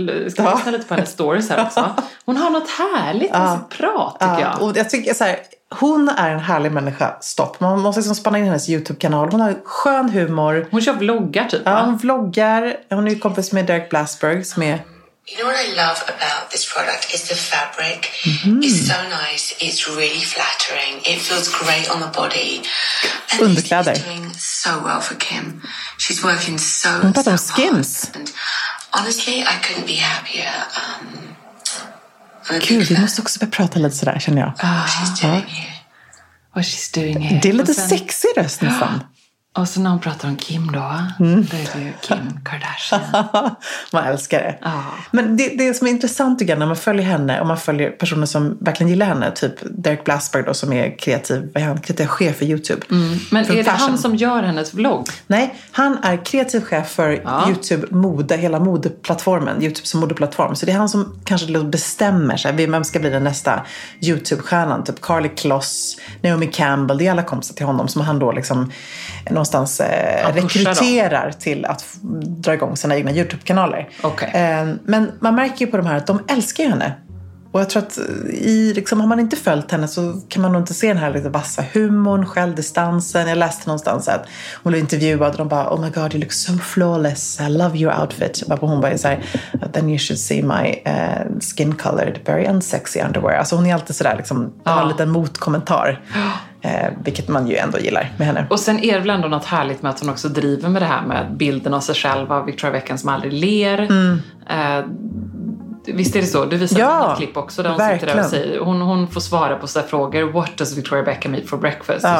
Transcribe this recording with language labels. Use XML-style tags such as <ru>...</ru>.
<sv>Ska jag lyssna lite på hennes stories här också? Hon har något härligt med sitt prat, tycker jag. Och jag tycker så här, hon är en härlig människa. Stopp. Man måste liksom spanna in hennes YouTube-kanal. Hon har skön humor. Hon kör vloggar, typ. Ja, hon vloggar. Hon är ju kompis med Derek Blasberg, som är...</sv> <en>You know what I love about this product is the fabric. Mm-hmm. It's so nice. It's really flattering. It feels great on the body. And underkläder. It's doing so well for Kim. She's working so, I'm so hard. Skims. And honestly, I couldn't be happier.</en> <sv>Gud, vi måste också börja prata lite sådär, känner jag.</sv> <en>Oh, she's doing here. What she's doing here.</en> <sv>Det är lite sexy röst nästan. Och så när hon pratar om Kim då, mm. då är det ju Kim Kardashian. Man älskar det. Ah. Men det som är intressant igen när man följer henne, och man följer personer som verkligen gillar henne, typ Derek Blasberg då, som är kreativ, kreativ chef för YouTube. Mm. Men är det han som gör hennes vlogg? Nej, han är kreativ chef för YouTube mode, hela modeplattformen, YouTube som modeplattform. Så det är han som kanske bestämmer sig, vem ska bli den nästa YouTube-stjärnan, typ Karlie Kloss, Naomi Campbell, det är alla kompisar till honom som han då liksom någonstans rekryterar dem till att dra igång sina egna YouTube-kanaler. Okay. Men man märker ju på de här att de älskar ju henne. Och jag tror att har man inte följt henne så kan man nog inte se den här lite vassa humorn, självdistansen. Jag läste någonstans att hon blev intervjuad och de bara,</sv> <en>oh my god, you look so flawless, I love your outfit.</en> <sv>Och hon bara så här,</sv> <en>then you should see my skin colored, very unsexy underwear.</en> <sv>Alltså hon är alltid sådär liksom, har en liten motkommentar. Vilket man ju ändå gillar med henne. Och sen är det väl ändå något härligt med att hon också driver med det här med bilden av sig själv av Victoria Beckham som aldrig ler. Mm. Visst är det så? Du visade ett klipp också där hon verkligen sitter där och säger, hon får svara på sådana frågor,</sv> <en>what does Victoria Beckham eat for breakfast?</en> <sv>Ja.</sv>